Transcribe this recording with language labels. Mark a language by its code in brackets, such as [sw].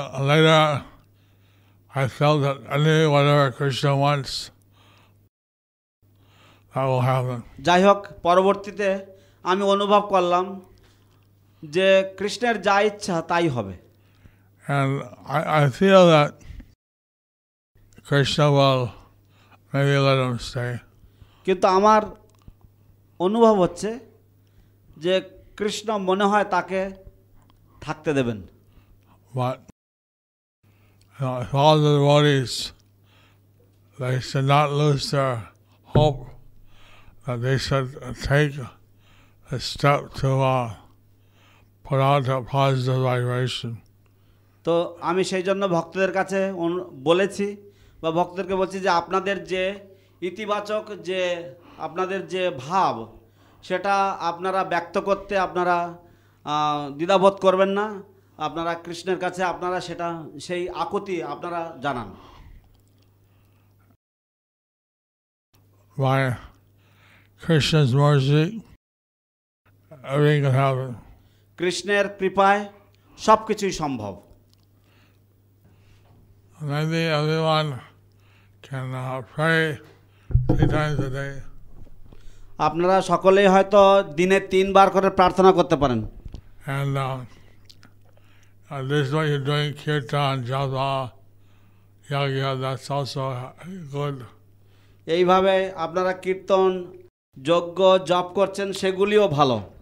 [en] Later, I felt that anything, whatever Krishna wants, That will happen. [bn] যাই হোক পরবর্তীতে আমি অনুভব করলাম যে কৃষ্ণের যা ইচ্ছা তাই হবে. [en] And I feel that Krishna will maybe let him stay. [bn] কিন্তু আমার অনুভব হচ্ছে যে কৃষ্ণ মনে হয় তাকে থাকতে দেবেন. [en] But all the devotees, they should not lose their hope that they should take a step to put out a positive vibration. [bn] তো আমি সেই জন্য ভক্তদের কাছে বলেছি বা ভক্তদেরকে বলছি যে আপনাদের যে ইতিবাচক যে আপনাদের যে ভাব সেটা আপনারা ব্যক্ত করতে আপনারা দ্বিধাবোধ করবেন না. আপনারা কৃষ্ণের কাছে আপনারা সেটা সেই আকুতি আপনারা জানান. [en] By Krishna's mercy, everything can happen. [bn] কৃষ্ণের কৃপায় সব কিছুই সম্ভব. [en] Maybe everyone can pray 3 times a day. [bn] আপনারা সকলে হয়তো দিনে 3 বার করে প্রার্থনা করতে পারেন. [en] And this is what you're doing, kirtan, japa, yagya, that's also good. [bn] এইভাবে আপনারা কীর্তন যজ্ঞ জপ করছেন সেগুলিও ভালো.